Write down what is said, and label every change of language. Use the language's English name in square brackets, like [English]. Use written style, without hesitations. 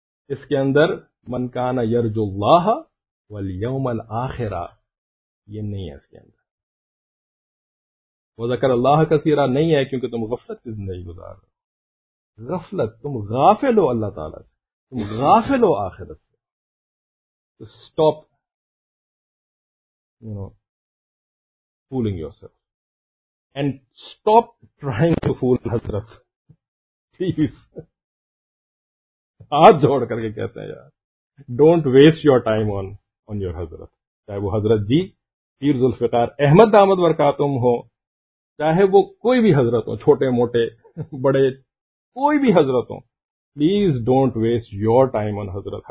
[Urdu] اس کے اندر [Arabic] من کان یرجو اللہ والیوم الآخرا [Urdu] یہ نہیں ہے اس کے اندر, وہ [Arabic] ذکر اللہ کثیرا [Urdu] نہیں ہے, کیونکہ تم غفلت کی زندگی گزار رہے ہو. غفلت, تم غافل ہو اللہ تعالیٰ سے, تم غافل ہو آخرت. [English] Stop, you know, fooling yourself. And stop trying to fool Hazrat. Please. [Urdu] ہاتھ جوڑ کر کے کہتے ہیں یار, [English] don't waste your time on your [Urdu] حضرت. چاہے وہ حضرت جی پیر ذوالفقار احمد دامت برکاتہم ہو, چاہے وہ کوئی بھی حضرت ہو, چھوٹے موٹے بڑے کوئی بھی حضرت ہو, [English] please don't waste your time on [Urdu] حضرت.